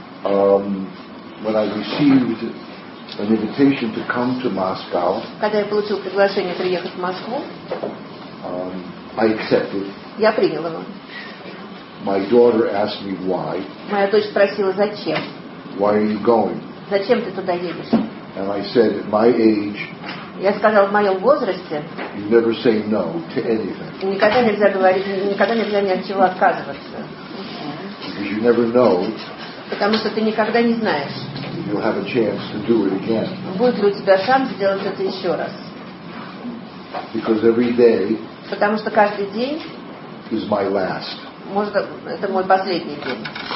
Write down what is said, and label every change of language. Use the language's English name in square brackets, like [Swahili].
[English] When I received an invitation to come to Moscow, [Russian] когда я получил приглашение приехать в Москву, [English] I accepted. [Russian] Я принял его. [English] My daughter asked me why. [Russian] Моя дочь спросила зачем. [English] Why are you going? [Russian] Зачем ты туда едешь? [English] And I said, at my age. [Russian] Я сказал, в моем возрасте [English] you never say no to anything. [Russian] Никогда нельзя говорить, никогда нельзя ни от чего отказываться. [English] You never know, [Russian] потому что ты никогда не знаешь, [English] you'll have a chance to do it again. [Russian] Будет ли у тебя шанс сделать это еще раз. [English] Because every day, [Russian] потому что каждый день [English] is my last. [Russian] Может, это мой последний день.